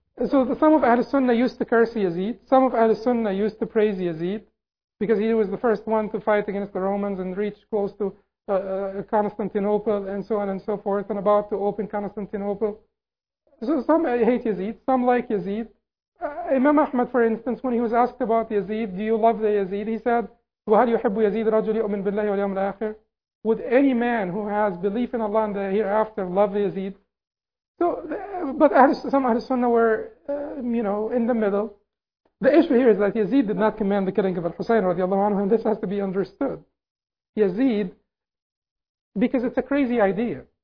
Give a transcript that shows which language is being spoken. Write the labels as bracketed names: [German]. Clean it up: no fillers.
[English] So some of Ahl-Sunnah used to curse Yazid. Some of Ahl-Sunnah used to praise Yazid because he was the first one to fight against the Romans and reach close to Constantinople and so on and so forth and about to open Constantinople. So some hate Yazid, some like Yazid. Imam Ahmad, for instance, when he was asked about Yazid, do you love the Yazid? He said, [Arabic] وَهَلْ يُحِبُّ يَزِيدُ رَجُلْ يُؤْمِنْ بِاللَّهِ وَالْيَوْمِ الْآخِرِ. [English] Would any man who has belief in Allah and the hereafter love Yazid? So, but some Ahl Sunnah were, you know, in the middle. The issue here is that Yazid did not command the killing of Al-Husayn radiallahu anhu, and this has to be understood. Yazid, because it's a crazy idea.